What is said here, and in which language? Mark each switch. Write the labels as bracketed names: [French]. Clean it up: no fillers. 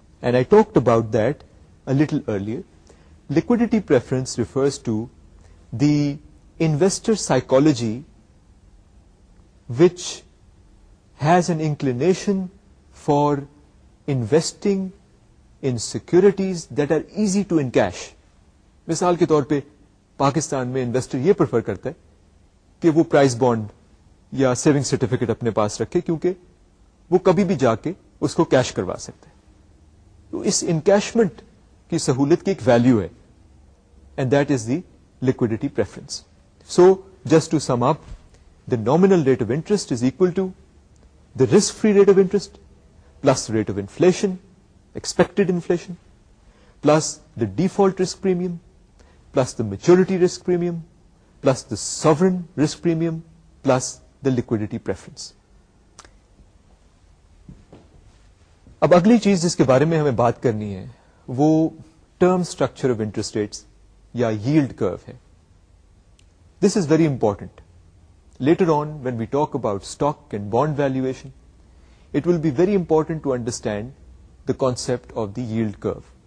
[English] And I talked about that a little earlier. Liquidity preference refers to the investor psychology which has an inclination for investing in securities that are easy to encash. [Urdu] مثال کے طور پہ پاکستان میں investor یہ prefer کرتا ہے کہ وہ پرائز بانڈ یا سیونگ سرٹیفکیٹ اپنے پاس رکھے کیونکہ وہ کبھی بھی جا کے اس کو کیش کروا سکتے ہیں. تو اس انکیشمنٹ کی سہولت کی ایک ویلیو ہے [English] And that is the liquidity preference. So just to sum up, the nominal rate of interest is equal to the risk free rate of interest plus rate of inflation expected inflation plus the default risk premium plus the maturity risk premium plus the sovereign risk premium plus the liquidity preference. [Urdu] اب اگلی چیز جس کے بارے میں ہمیں بات کرنی ہے وہ term structure of interest rates یا ییلڈ کرو ہے. [English] This is very important. Later on when we talk about stock and bond valuation it will be very important to understand the concept of the yield curve.